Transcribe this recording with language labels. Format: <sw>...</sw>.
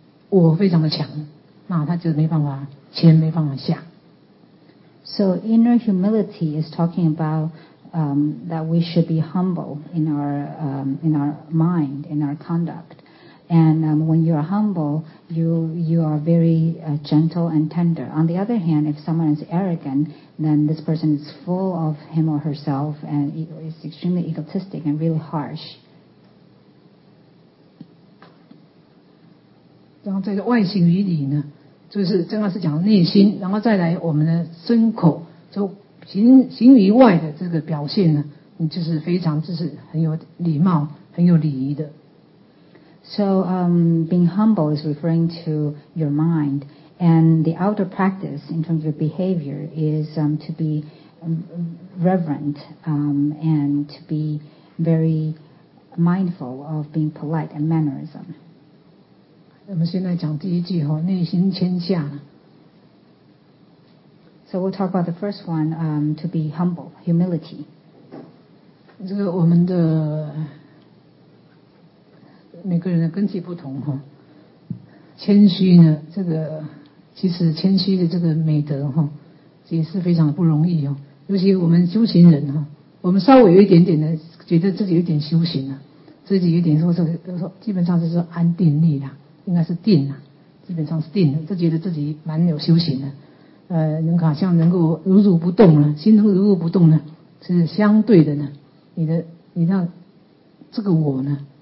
<zh>我非常的强，那他就没办法前，没办法下。</zh> <en>So inner humility is talking about that we should be humble in our mind, in our conduct. And when you are humble, you are very gentle and tender. On the other hand, if someone is arrogant, then this person is full of him or herself and is extremely egotistic and really harsh.</en> <zh>然后在外形与里呢，就是正好是讲内心，然后再来我们的身口，就行于外的这个表现呢，你就是非常就是很有礼貌，很有礼仪的。</zh> <en>So, being humble is referring to your mind, and the outer practice in terms of your behavior is to be reverent and to be very mindful of being polite and mannerism.</en> <zh>我们现在讲第一句哈，内心谦下。</zh> <en>So we'll talk about the first one, to be humble, humility.</en> <zh>这个我们的每个人的根基不同哈，谦虚呢，这个其实谦虚的这个美德哈，也是非常不容易哦。尤其我们修行人哈，我们稍微有一点点的觉得自己有点修行了，自己有点说这个说，基本上就是安定力啦，应该是定啦，基本上是定的，就觉得自己蛮有修行的，能好像能够如如不动了，心能如如不动呢，是相对的呢，你那这个我呢。</zh>